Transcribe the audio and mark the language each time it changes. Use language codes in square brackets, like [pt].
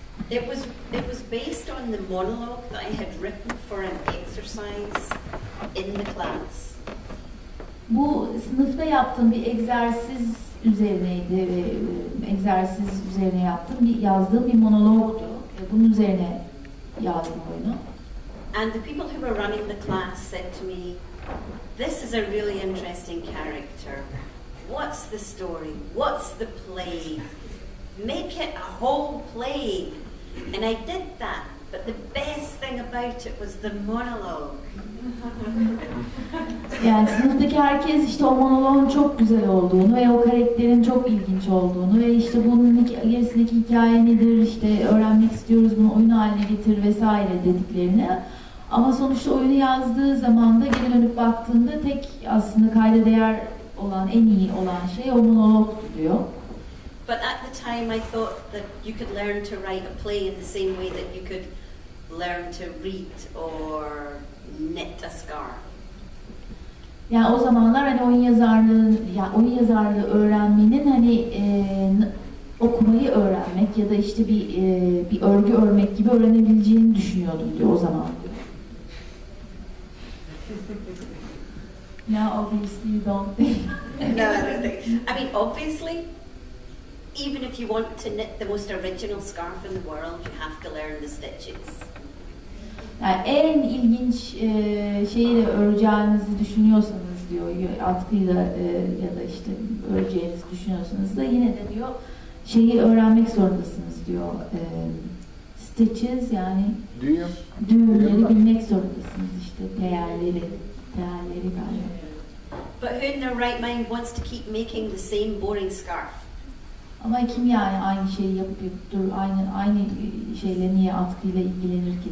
[en] It was based on the monologue that I had written for an exercise in the class. [tr] Bu sınıfta yaptığım bir egzersiz üzerineydi ve egzersiz üzerine yazdığım bir monologdu. Bunun üzerine yazdım oyunu. [en] And the people who were running the class said to me, "This is a really interesting character. What's the story? What's the play? Make it a whole play." And I did that, but the best thing about it was the monologue. [tr] Yani sınıftaki herkes işte o monologun çok güzel olduğunu ve o karakterin çok ilginç olduğunu ve işte bunun gerisindeki hikaye nedir, işte öğrenmek istiyoruz bunu, oyun haline getir vesaire dediklerini. Ama sonuçta oyunu yazdığı zaman da geri dönüp baktığında tek aslında kayda değer olan, en iyi olan şey o monologdu diyor. [en] But at the time I thought that you could learn to write a play in the same way that you could learn to read or knit a scarf. [tr] Ya o zamanlar hani oyun yazarlığı öğrenmenin hani okumayı öğrenmek ya da işte bir örgü örmek gibi öğrenebileceğini düşünüyordum diyor o zaman. [en] Now obviously you don't think. No, I don't think. I mean obviously even if you want to knit the most original scarf in the world, you have to learn the stitches. [tr] Yani en ilginç şeyi de öreceğinizi düşünüyorsanız diyor, atkıyla ya da işte öreceğinizi düşünüyorsanız da yine de diyor, şeyi öğrenmek zorundasınız diyor. Stitches yani düğümleri bilmek zorundasınız işte, değerleri galiba. [en] But who in their right mind wants to keep making the same boring scarf? [tr] Ama kim yani aynı şeyi yapıp dur aynı şeyle niye atkıyla ilgilenir ki?